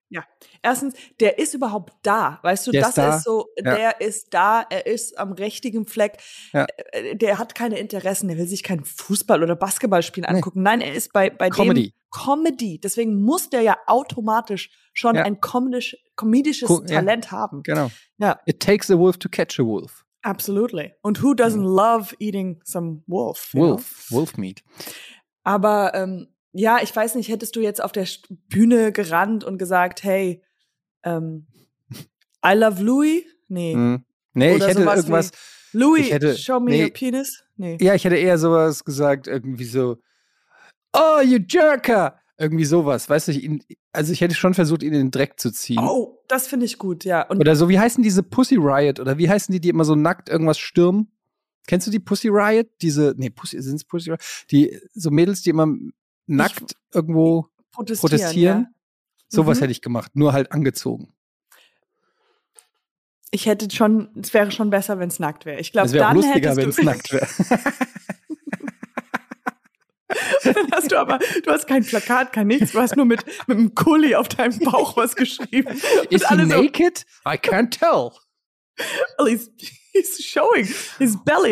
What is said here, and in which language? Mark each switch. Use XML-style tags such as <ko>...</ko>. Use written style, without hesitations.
<de>Ja, erstens, der ist überhaupt da, weißt du, der ist da, er ist am richtigen Fleck, der hat keine Interessen, der will sich kein Fußball- oder Basketballspiel angucken, nein, er ist bei Comedy. Deswegen muss der ja automatisch schon ein komedisches Talent haben. Genau. Ja.</de> <en>It takes a wolf to catch a wolf. Absolutely. Und who doesn't love eating some wolf? Wolf meat.</en> <de>Aber ja, ich weiß nicht, hättest du jetzt auf der Bühne gerannt und gesagt,</de> <en>hey, I love Louis?</en> <de>Nee. Mm. Nee, oder ich hätte irgendwas.</de> <en>Louis, show me your penis? Nee.</en> <de>Ja, ich hätte eher sowas gesagt, irgendwie so,</de> <en>oh, you jerker!</en> <de>Irgendwie sowas, weißt du, ich hätte schon versucht, ihn in den Dreck zu ziehen. Oh, das finde ich gut, ja. Und oder so, wie heißen diese Pussy Riot, oder wie heißen die immer so nackt irgendwas stürmen? Kennst du die Pussy Riot? Sind es Pussy Riot? Die, so Mädels, die immer nackt irgendwo protestieren? Ja. Sowas hätte ich gemacht, nur halt angezogen. Ich hätte schon, es wäre schon besser, wenn es nackt wäre. Ich glaube, es wäre lustiger, wenn es nackt wäre. Dann hast du aber, du hast kein Plakat, kein nichts, du hast nur mit einem Kuli auf deinem Bauch was geschrieben.</de> <en>Is he naked? I can't tell. Well, he's showing his belly.</en>